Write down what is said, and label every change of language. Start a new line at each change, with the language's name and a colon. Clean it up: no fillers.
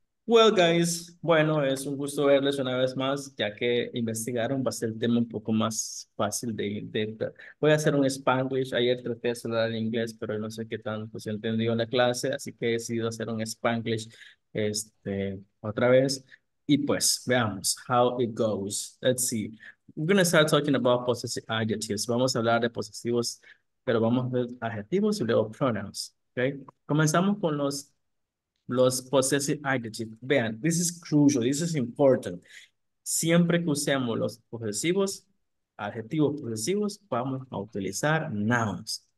English: Well, guys,
Spanish: bueno, es un gusto verles una vez más, ya que investigaron, va a ser el tema un poco más fácil de voy a hacer un Spanglish. Ayer traté de hablar inglés, pero no sé qué tanto pues, se entendió en la clase, así que he decidido hacer un Spanglish otra vez. Y pues, veamos,
English: how it goes. Let's see. We're going to start talking about possessive adjectives.
Spanish: Vamos a hablar de posesivos, pero vamos a ver adjetivos y luego pronouns. Okay? Comenzamos con los possessive adjectives. Vean,
English: this is crucial, this is important.
Spanish: Siempre que usemos los posesivos, adjetivos posesivos, vamos a utilizar nouns.